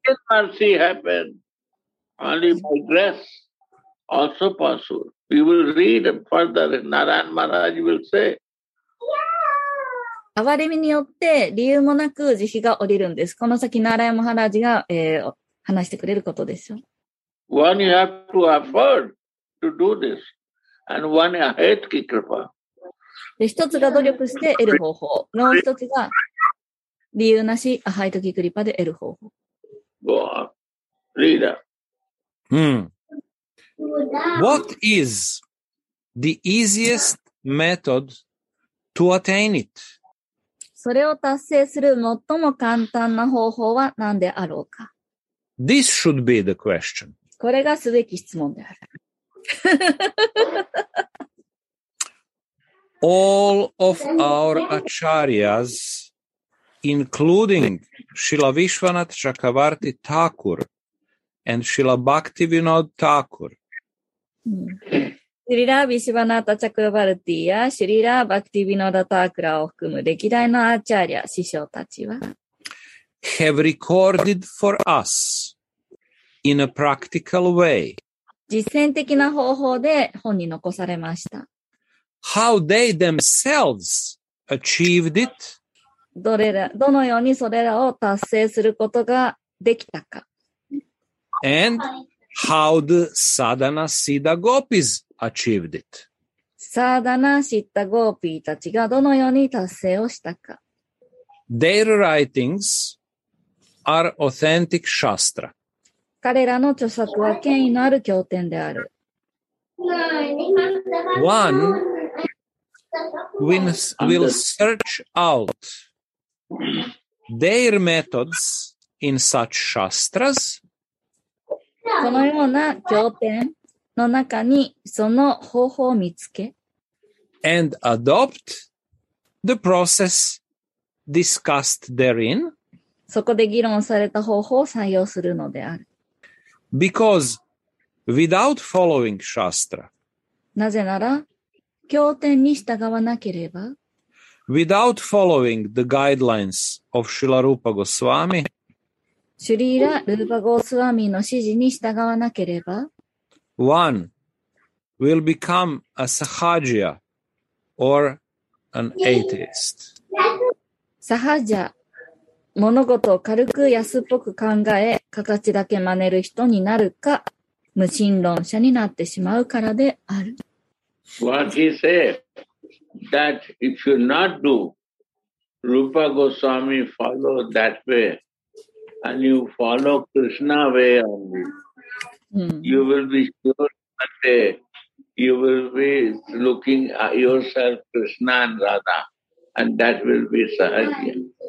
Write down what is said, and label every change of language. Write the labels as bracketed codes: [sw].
[en] When mercy happens, only by grace. Also possible. We will read further. Narayan Maharaj will say. [ja] あわれみによって理由もなく慈悲が降りるんです。この先ナーラヤンマハラージが、話してくれることでしょう。 [en] One you have to afford to do this. And one a hetki kripa. [ja] 一つが努力して得る方法。もう一つが。理由なし、アハイトキクリパで得る方法。 [en] Go on. Read up. What is the easiest method to attain it? [ja] それを達成する最も簡単な方法は何であろうか? [en] This should be the question. [ja] これがすべき質問である。 [en] All of our acharyas, including Srila Vishwanath Chakravarti Thakur and Srila Bhaktivinoda Thakur. [ja] Srila Vishwanath Chakravarti and Srila Bhaktivinoda Thakur を含む歴代のアーチャリア師匠たちは [en] have recorded for us in a practical way. [ja] 実践的な方法で本に残されました。 [en] How they themselves achieved it? [ja] どのようにそれらを達成することができたか? [en] And how the sadhana siddha gopis achieved it? [ja] Sadhana siddha gopi たちがどのように達成をしたか? [en] Their writings are authentic shastra. [ja] 彼らの著作は権威のある経典である。 [en] One will search out their methods in such shastras. [ja] このような経典の中にその方法を見つけ [en] and adopt the process discussed therein. [ja] そこで議論された方法を採用するのである。 [en] Because without following shastra, [ja] なぜなら経典に従わなければ [en] without following the guidelines of Srila Rupa Goswami, [ja] Srila Rupa Goswami の指示に従わなければ [en] one will become a sahajya or an atheist. [ja] Sahajya 物事を軽く安っぽく考え形だけ真似る人になるか無神論者になってしまうからである。 [en] What he said, that if you not do, Rupa Goswami follow that way, and you follow Krishna way only, you will be sure that day, you will be looking at yourself Krishna and Radha, and that will be sahajya.